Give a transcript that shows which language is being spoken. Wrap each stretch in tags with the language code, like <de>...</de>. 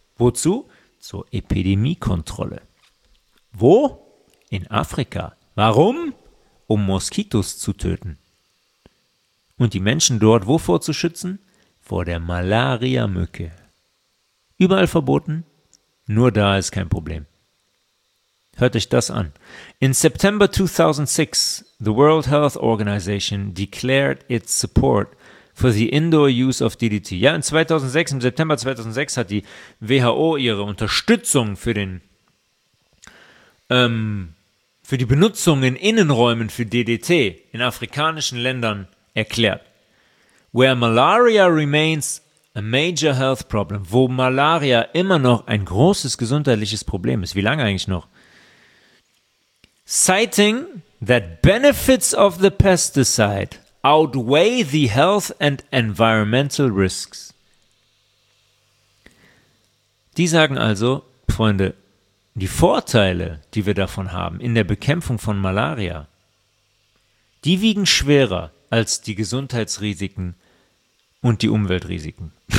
<de>Wozu? Zur Epidemiekontrolle. Wo? In Afrika. Warum? Um Moskitos zu töten. Und die Menschen dort wovor zu schützen? Vor der Malaria-Mücke. Überall verboten, nur da ist kein Problem. Hört euch das an.</de> <en>In September 2006, the World Health Organization declared its support for the indoor use of DDT.</en> <de>Ja, in 2006, im September 2006 hat die WHO ihre Unterstützung für den für die Benutzung in Innenräumen für DDT in afrikanischen Ländern erklärt.</de> <en>Where malaria remains a major health problem,</en> <de>wo Malaria immer noch ein großes gesundheitliches Problem ist. Wie lange eigentlich noch?</de> <en>Citing that benefits of the pesticide outweigh the health and environmental risks.</en> <de>Die sagen also, Freunde, die Vorteile, die wir davon haben in der Bekämpfung von Malaria, die wiegen schwerer als die Gesundheitsrisiken und die Umweltrisiken.</de>